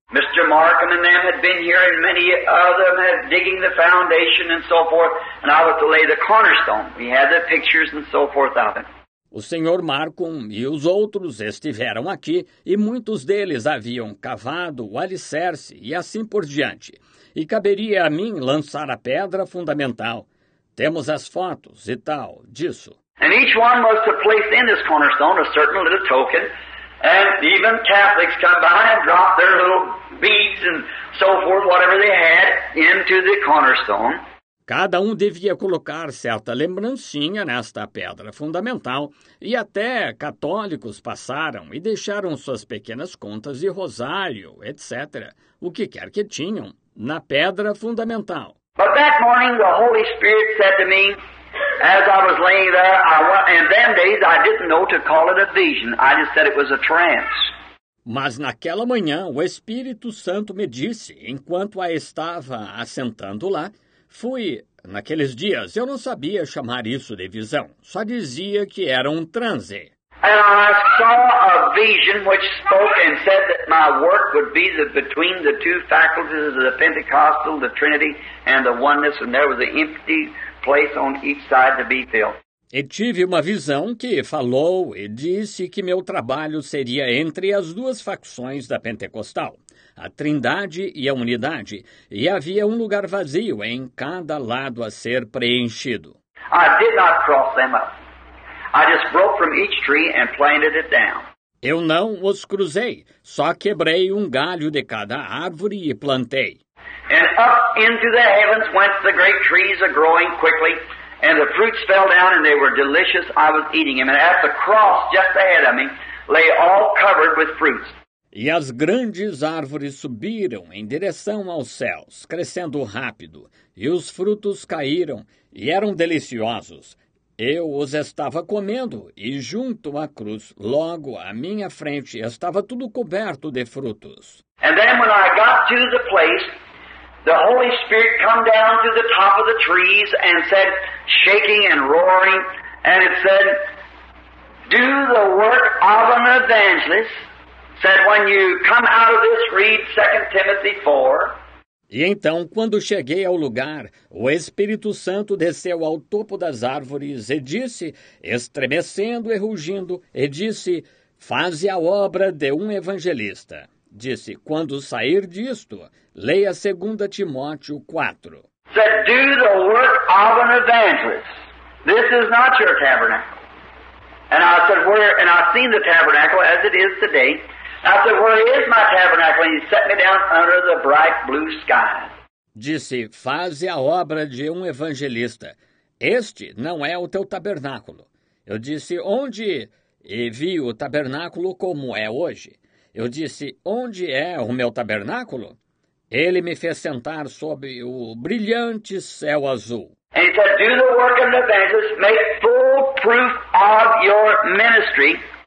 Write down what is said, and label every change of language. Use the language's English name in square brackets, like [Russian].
[English] Mr. Markham and them had been here, and many of them had digging the foundation and so forth, and I was to lay the cornerstone. We had the pictures and so forth of it. [Portuguese] O Sr. Markham e os outros estiveram aqui, e muitos deles haviam cavado o alicerce e assim por diante. E caberia a mim lançar a pedra fundamental. Temos as fotos e tal disso. [English] And each one was to place in this cornerstone a certain little token, and even Catholics come by and drop their little beads and so forth, whatever they had, into the cornerstone. [Portuguese] Cada um devia colocar certa lembrancinha nesta pedra fundamental, e até católicos passaram e deixaram suas pequenas contas de rosário, etc., o que quer que tinham, na pedra fundamental. [English] But that morning the Holy Spirit said to me, as I was laying there, in them days I didn't know to call it a vision, I just said it was a trance. [Portuguese] Mas naquela manhã o Espírito Santo me disse, enquanto a estava assentando lá, fui, naqueles dias, eu não sabia chamar isso de visão, só dizia que era um transe. [English] And I saw a vision which spoke and said that my work would be the, between the two faculties of the Pentecostal, the Trinity, and the oneness, and there was an empty place on each side to be filled. [Portuguese] E tive uma visão que falou e disse que meu trabalho seria entre as duas facções da Pentecostal, a Trindade e a Unidade, e havia um lugar vazio em cada lado a ser preenchido. [English] I did not cross them up. I just broke from each tree and planted it down. [Portuguese] Eu não os cruzei, só quebrei um galho de cada árvore e plantei. [English] And up into the heavens went the great trees are growing quickly. And the fruits fell down, and they were delicious. I was eating them. And at the cross, just ahead of me, lay all covered with fruits. [Portuguese] E as grandes árvores subiram em direção aos céus, crescendo rápido. E os frutos caíram, e eram deliciosos. Eu os estava comendo, e junto à cruz, logo à minha frente, estava tudo coberto de frutos. [English] And then when I got to the place, the Holy Spirit come down to the top of the trees and said, shaking and roaring, and it said, do the work of an evangelist. Said, when you come out of this, read 2 Timothy 4. [Portuguese] E então, quando cheguei ao lugar, o Espírito Santo desceu ao topo das árvores e disse, estremecendo e rugindo, e disse, faze a obra de um evangelista. Disse, quando sair disto, leia 2 Timóteo 4. [English] Said, do the work of an evangelist. This is not your tabernacle. And I said, where, and I've seen the tabernacle as it is today. I said, where is my tabernacle? And he set me down under the bright blue sky. [Portuguese] Disse, faze a obra de um evangelista. Este não é o teu tabernáculo. Eu disse, onde? E vi o tabernáculo como é hoje. Eu disse, onde é o meu tabernáculo? Ele me fez sentar sob o brilhante céu azul. [English] And he said, do the work of the evangelist, make full proof of your ministry.